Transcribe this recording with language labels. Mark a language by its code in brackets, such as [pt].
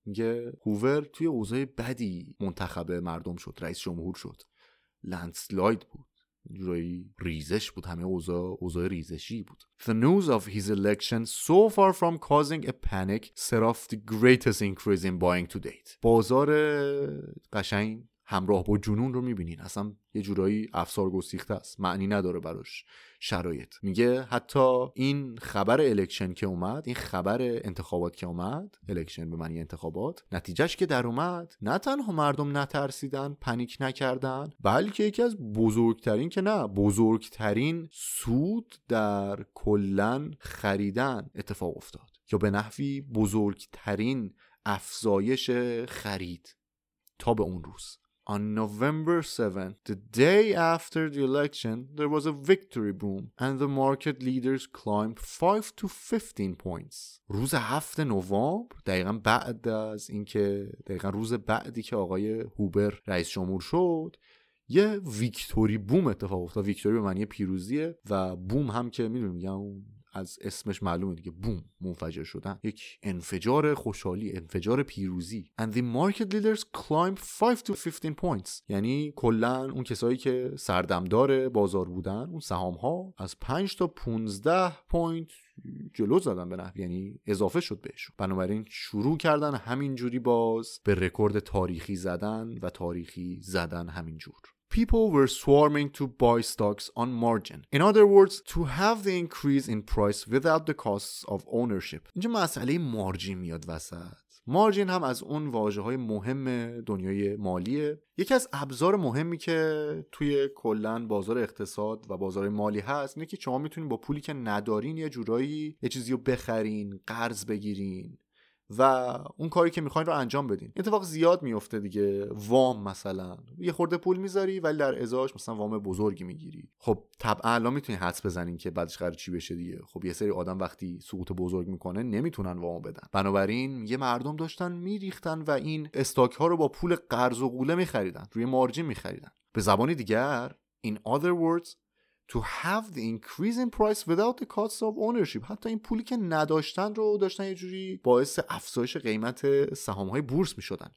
[fa] میگه هوور توی اوضاع بدی منتخب مردم شد، رئیس جمهور شد. landslide بود. جورایی ریزش بود، همه اوضاع ریزشی بود. [en] The news of his election, so far from causing a panic, set off the greatest increase in buying to date. [fa] بازار قشنگ همراه با جنون رو میبینین، اصلا یه جورایی افسار گسیخته است، معنی نداره براش شرایط. میگه حتی این خبر الکشن که اومد، این خبر انتخابات که اومد، الکشن به معنی انتخابات، نتیجهش که در اومد نه تنها مردم نترسیدن، پنیک نکردن، بلکه یکی از بزرگترین که نه بزرگترین سود در کلن خریدن اتفاق افتاد، یا به نحوی بزرگترین افزایش خرید تا به اون روز. [en] On November 7th, the day after the election, there was a victory boom and the market leaders climbed 5 to 15 points. [fa] روز 7 نوامبر، دقیقاً بعد از اینکه دقیقاً روز بعدی که آقای هوبر رئیس جمهور شد، یه ویکتوری بوم اتفاق افتاد. ویکتوری به معنی پیروزیه و بوم هم که می‌دونیم، میگم از اسمش معلومه دیگه، بوم، منفجر شدن، یک انفجار خوشحالی، انفجار پیروزی. [en] And the market leaders climb 5 to 15 points. [fa] یعنی کلن اون کسایی که سردمدار بازار بودن، اون سهام ها از 5 تا 15 پوینت جلو زدن به نحوی، یعنی اضافه شد بهشون. بنابراین شروع کردن همینجوری باز به رکورد تاریخی زدن و تاریخی زدن همینجور. [en] People were swarming to buy stocks on margin. In other words, to have the increase in price without the costs of ownership. [fa] اینجا مسئله مارجین میاد وسط. مارجین هم از اون واژه‌های مهم دنیای مالیه. یکی از ابزار مهمی که توی کلن بازار اقتصاد و بازار مالی هست اینه که شما میتونین با پولی که ندارین یه جورایی یه چیزی رو بخرین، قرض بگیرین و اون کاری که میخواین رو انجام بدین. اتفاق زیاد میفته دیگه، وام مثلا، یه خورده پول میذاری ولی در ازاش مثلا وام بزرگی میگیری. خب طبعا الان میتونی حدس بزنین که بعدش قرار چی بشه دیگه. خب یه سری آدم وقتی سقوط بزرگ میکنه نمیتونن وام بدن، بنابراین یه مردم داشتن میریختن و این استاک ها رو با پول قرض و قوله میخریدن، روی مارجین میخریدن. به زبانی دیگر، [en] in other words, to have the increase in price without the costs of ownership. [fa] حتی این پولی که نداشتن رو داشتن یه جوری باعث افزایش قیمت سهام‌های بورس می‌شدن.